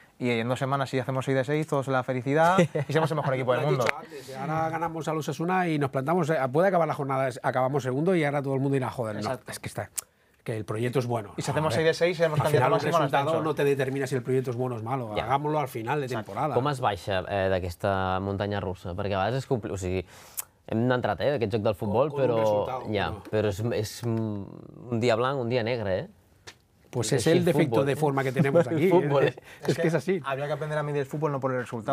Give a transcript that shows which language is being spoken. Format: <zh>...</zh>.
<es>Y en dos semanas, si hacemos 6 de 6, todos en la felicidad y somos el mejor equipo del mundo. Ahora ganamos a Osasuna y nos plantamos. Puede acabar la jornada, acabamos segundo y ahora todo el mundo irá a joder. No, es que está. Que el proyecto es bueno. Y si hacemos 6 de 6, seremos candidatos al máximo ascenso. No te determina si el proyecto es bueno o es malo. Ja. Hagámoslo al final de temporada.</es> <ca>Com es baixa d'aquesta muntanya russa? Perquè a vegades és complicat. O sigui, hem entrat d'aquest joc del futbol, però és un dia blanc, un dia negre,</ca> <es>Pues es el defecto fútbol, de forma que tenemos aquí. Fútbol, es que es así. Habría que aprender a medir el fútbol, no por el resultado.</es>